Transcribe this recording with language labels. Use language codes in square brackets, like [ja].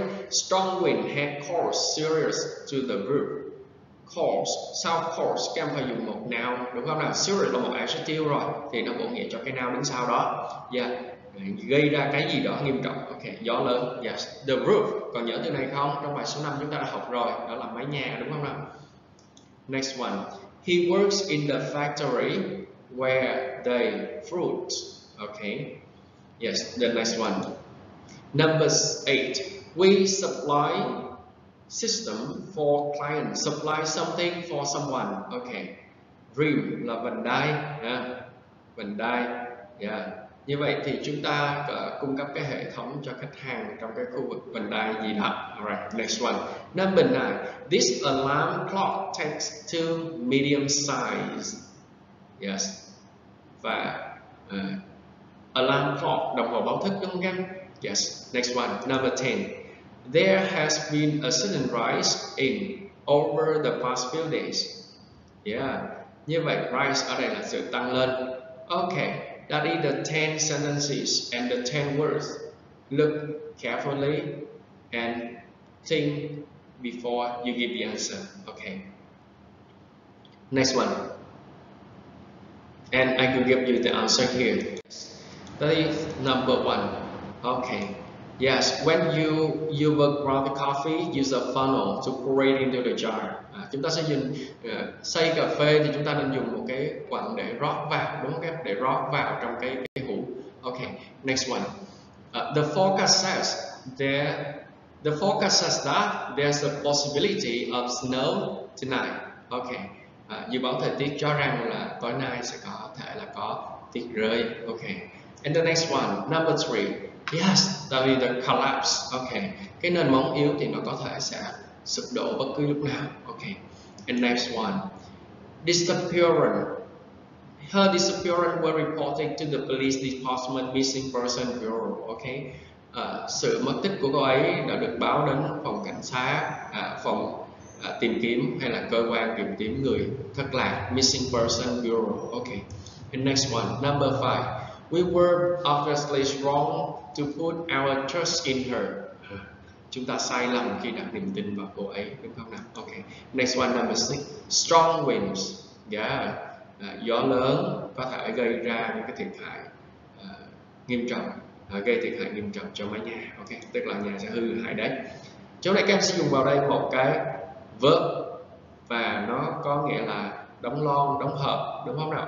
[en] Strong wind had caused serious to the group. [vi] Cause, sao cause, các em phải dùng một noun, đúng không nào? Serious là một adjective rồi, thì nó có nghĩa cho cái noun đứng sau đó. Yeah. Gây ra cái gì đó nghiêm trọng. Ok, gió lớn. [en] Yes, the roof. [vi] Còn nhớ từ này không? Trong bài số 5 chúng ta đã học rồi, đó là mái nhà, đúng không nào? [en] Next one, he works in the factory where they fruit. Ok, yes, the next one, number 8, we supply system for client, supply something for someone. [vi] Ok, rim là vành đai. Vành đai. Yeah. Như vậy thì chúng ta cung cấp cái hệ thống cho khách hàng trong cái khu vực vành đai gì đó. [en] Alright, next one, number 9, this alarm clock takes to medium size. Yes. [vi] Và alarm clock, đồng hồ báo thức, đúng không? [en] Yes. Next one, number 10, there has been a sudden rise in over the past few days. Yeah. [vi] Như vậy rise ở đây là sự tăng lên. [en] Okay, that is the 10 sentences and the 10 words. Look carefully and think before you give the answer. Okay. Next one. And I will give you the answer here. That is number 1. Okay. Yes, when you will grab the coffee, use a funnel to pour it into the jar. [vi] Chúng ta sẽ dùng xay cà phê thì chúng ta nên dùng một cái quặng để rót vào, đúng không các em? Để rót vào trong cái hũ. [en] Ok, next one. The forecast says that there's a possibility of snow tonight. [vi] Ok, dự báo thời tiết cho rằng là tối nay sẽ có thể là có tuyết rơi. [en] Ok, and the next one, number 3. Yes, that is the collapse. [vi] Ok, cái nền móng yếu thì nó có thể sẽ sụp đổ bất cứ lúc nào. [en] Ok, and next one, disappearance. Her disappearance were reported to the police department missing person bureau. [vi] Ok, sự mất tích của cô ấy đã được báo đến phòng cảnh sát, phòng tìm kiếm hay là cơ quan tìm kiếm người thất lạc, missing person bureau. [en] Ok, and next one, number 5, we were obviously wrong to put our trust in her. [vi] Chúng ta sai lầm khi đặt niềm tin vào cô ấy, đúng không nào? [en] Ok. Next one, number 6. Strong winds. Yeah. [vi] Gió lớn có thể gây ra những cái thiệt hại nghiêm trọng, gây thiệt hại nghiêm trọng cho mái nhà. Ok, tức là nhà sẽ hư hại đấy. Chỗ này các em sử dụng vào đây một cái verb và nó có nghĩa là đóng lon, đóng hộp, đúng không nào?